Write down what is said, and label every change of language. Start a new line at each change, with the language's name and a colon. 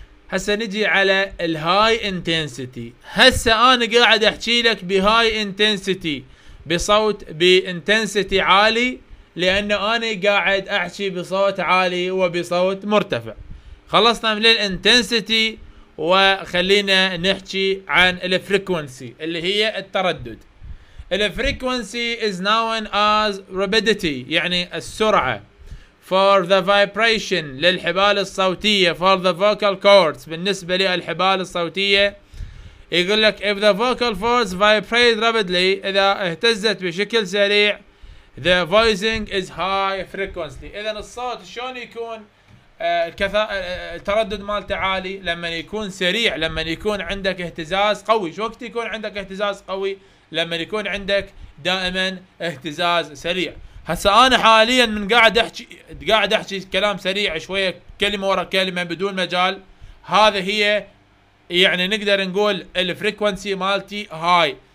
Arabic: هسه نجي على الهاي انتنسيتي. هسه انا قاعد احكي لك بهاي انتنسيتي بصوت بانتنسيتي عالي, لانه انا قاعد احكي بصوت عالي وبصوت مرتفع. خلصنا من الانتنسيتي, وخلينا نحكي عن الفريكوانسي اللي هي التردد.
English: الفريكوانسي is known as rapidity,
Arabic: يعني السرعه,
English: for the vibration,
Arabic: للحبال الصوتية,
English: for the vocal cords,
Arabic: بالنسبة للحبال الصوتية. يقول لك
English: if the vocal folds vibrate rapidly,
Arabic: إذا اهتزت بشكل سريع,
English: the voicing is high frequency.
Arabic: إذا الصوت شلون يكون التردد مالته عالي؟ لما يكون سريع, لما يكون عندك اهتزاز قوي. شو وقت يكون عندك اهتزاز قوي؟ لما يكون عندك دائما اهتزاز سريع. هسا انا حاليا من قاعد احكي كلام سريع شويه, كلمه ورا كلمه بدون مجال, هذا هي يعني نقدر نقول الفريكوانسي مالتي هاي.